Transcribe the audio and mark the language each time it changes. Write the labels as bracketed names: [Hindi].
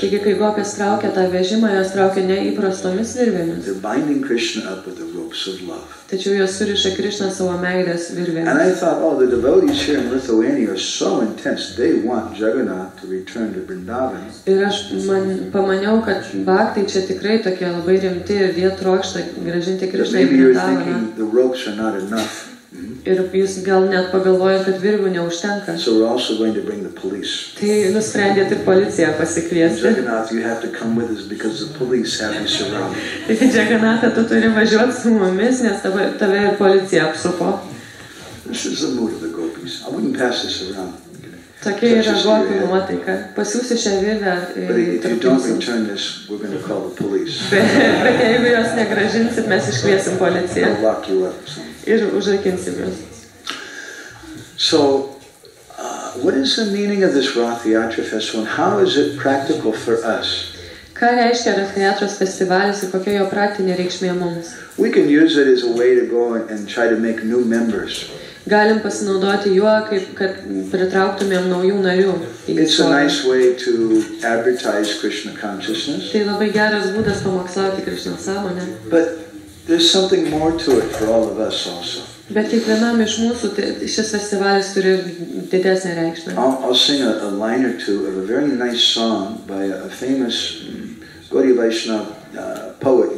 [Lithuanian] Taigi, kai gopis traukia tą vežimą, jos traukia neįprastomis virvėmis. [English] They're binding Krishna up with the ropes of love. [Lithuanian] Tačiau jos suriša Krishna savo meilės virvėmis. [English] And I thought, oh, the devotees here in Lithuania are so intense, they want Jagannath to return to Vrindavan. [Lithuanian] Ir aš pamaniau, kad bhaktai čia tikrai tokie labai rimti ir jie trokšta grąžinti Krishna į Vrindavaną. [English] Maybe you're thinking the ropes are not enough. [Lithuanian] Ir jūs gal net pagalvojat, kad virvių neužtenka. [English] So we're also going to bring the police. [Lithuanian] Tai nusprendėt ir policiją pasikviesti. [English] Jagannath, you have to come with us because the police have you surrounded. [Lithuanian] Tai Jagannath, tu turi važiuoti su mumis, nes tave ir policija apsupo. [English] This is the mood of the gopis. I wouldn't pass this around. [Lithuanian] Tokia yra gopių nuotaika. Pasiūsi šią virvę. [English] But if you don't return this, we're going to call the police. [Lithuanian] Bet jeigu jos negražinsit, mes iškviesim policiją. [English] I'll lock you up. [Lithuanian] Ir užrakinsim jūs. [English] So, what is the meaning of this Rathyatra festival and how is it practical for us? [Lithuanian] Ką Ką reiškia Rathnyatros festivalis ir kokia jo praktinė reikšmė mums? [English] We can use it as a way to go and try to make new members. [Lithuanian] Galim pasinaudoti juo, kaip kad pritrauktumėm naujų narių. [English] It's a nice way to advertise Krishna consciousness. [Lithuanian] Tai labai geras būdas pamokslauti Krishna sąmonę. [English] But there's something more to it for all of us also. [Lithuanian] Bet kiekvienam iš mūsų šis festivalis turi didesnę reikšmę. [English] I'll sing a line or two of a very nice song by a famous Gaudi Vaishnava poet.